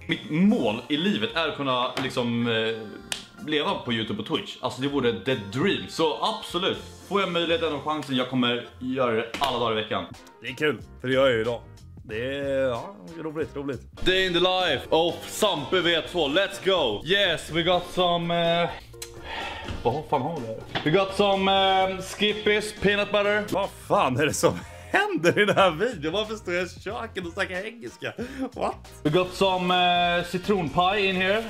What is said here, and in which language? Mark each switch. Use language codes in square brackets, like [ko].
[sv] Mitt mål i livet är att kunna liksom leva på YouTube och Twitch. Alltså det vore [en] the dream. [sv] Så absolut, får jag möjligheten och chansen, jag kommer göra det alla dagar i veckan. Det är kul, för det gör jag ju idag. Det är, ja, roligt, roligt. [en] Day in the life of Sampe V2, let's go! Yes, we got some... [sv] Vad fan har vi här? [en] We got some Skippies, peanut butter. [sv] Vad fan är det som händer i den här videon? Varför står jag i köken och snackar engelska? [en] What? We got some citronpie in here.